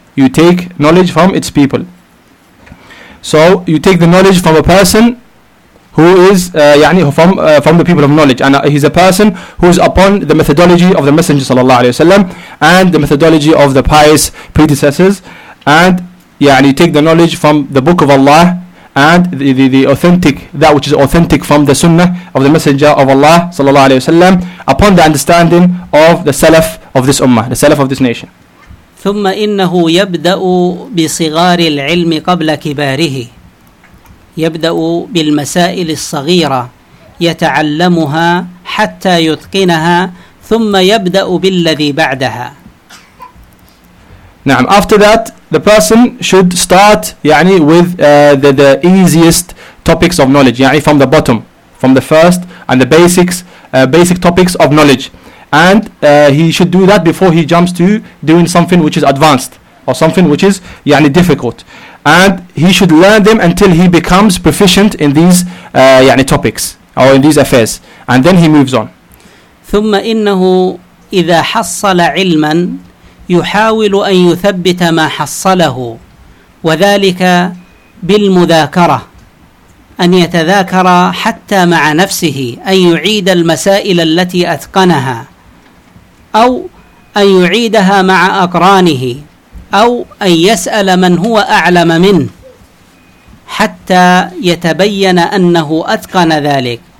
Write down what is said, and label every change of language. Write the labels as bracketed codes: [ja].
[en] You take knowledge from its people. So you take the knowledge from a person who is يعني from the people of knowledge, and he's a person who is upon the methodology of the Messenger sallallahu alaihi wasallam and the methodology of the pious predecessors, and يعني you take the knowledge from the book of Allah and the authentic, that which is authentic from the Sunnah of the Messenger of Allah sallallahu alaihi wasallam, upon the understanding of the Salaf of this Ummah, the Salaf of this nation. [ar] ثم إنه يبدأ بصغار العلم قبل كباره، يبدأ بالمسائل الصغيرة يتعلمها حتى يتقنها، ثم يبدأ بالذي بعدها. نعم. [en] After that, the person should start يعني with the easiest topics of knowledge, يعني from the bottom, from the first and the basics, basic topics of knowledge. And he should do that before he jumps to doing something which is advanced or something which is يعني difficult. And he should learn them until he becomes proficient in these يعني topics or in these affairs. And then he moves on. [ar] ثم إنه إذا حصل علما يحاول أن يثبت ما حصله، وذلك بالمذاكرة أن يتذاكر حتى مع نفسه أن يعيد المسائل التي أتقنها، أو أن يعيدها مع أقرانه، أو أن يسأل من هو أعلم منه حتى يتبين أنه أتقن ذلك.